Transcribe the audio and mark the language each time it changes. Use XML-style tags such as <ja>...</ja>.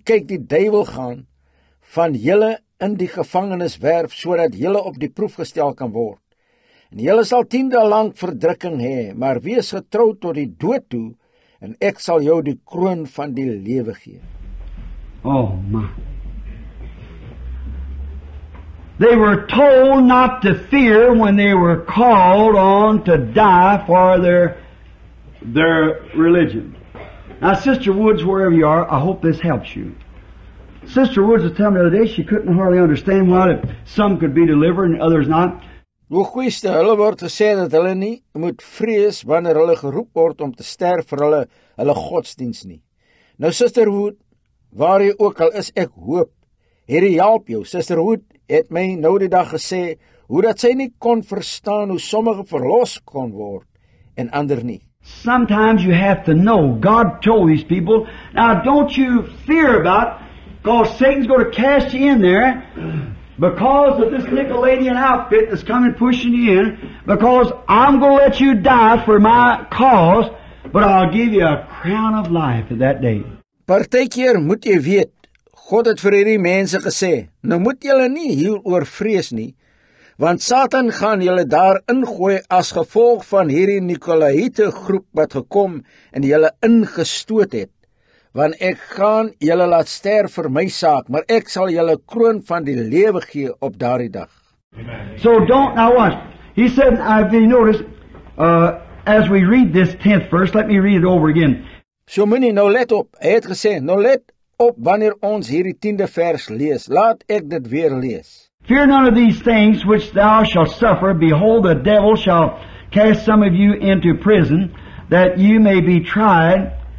<af>Kyk, die duivel gaan van julle in die gevangenis werf, sodat julle op die proef gestel kan word. En julle sal 10 dae lang verdrukking hê, maar wees getrou tot die dood toe, en ek sal jou die kroon van die lewe gee.</af> <en>Oh my. They were told not to fear when they were called on to die for their religion. Now, Sister Woods, wherever you are, I hope this helps you. Sister Woods was telling me the other day she couldn't hardly understand why some could be delivered and others not.</en> <af>Hoogweeste, hulle word gesê dat hulle nie moet vrees wanneer hulle geroep word om te sterf vir hulle godsdienst nie. Nou, Sister Wood, waar jy ook al is, ek hoop, Here help jou. Sister Wood het my nou die dag gesê hoe dat sy nie kon verstaan hoe sommige verlos kon word en ander nie.</af> <en>Sometimes you have to know. God told these people, now don't you fear about it. Because Satan's going to cast you in there because of this Nicolaitan outfit that's coming pushing you in, because I'm going to let you die for my cause, but I'll give you a crown of life at that day.</en> <af>Partykeer moet jy weet, God het vir hierdie mense gesê, nou moet julle nie hier oor vrees nie, want Satan gaan julle daar ingooi as gevolg van hierdie Nicolaite groep wat gekom en julle ingestoot het. Want ek gaan julle laat sterf vir my saak, maar ek sal julle kroon van die lewe gee op daardie dag.</af> <en>So don't, now watch. He said, if you notice, as we read this 10th verse, let me read it over again. So many,</en> <af>nou let op, hy het gesê, nou let op wanneer ons hierdie 10de vers lees. Laat ek dit weer lees.</af> <en>Fear none of these things which thou shalt suffer. Behold, the devil shall cast some of you into prison, that you may be tried.</en>